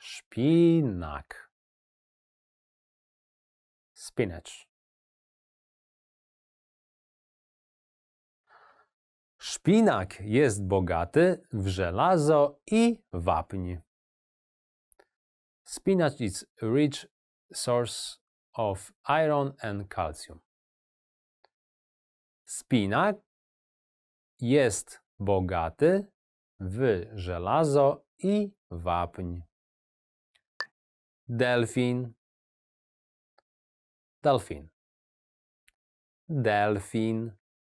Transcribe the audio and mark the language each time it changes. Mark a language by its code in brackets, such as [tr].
[pl] Szpinak. [en] Spinacz. [pl] Szpinak jest bogaty w żelazo i wapń. [en] Spinach is a rich source of iron and calcium. [pl] Spinak jest bogaty w żelazo i wapń. Delfin. Delfin. Delfin.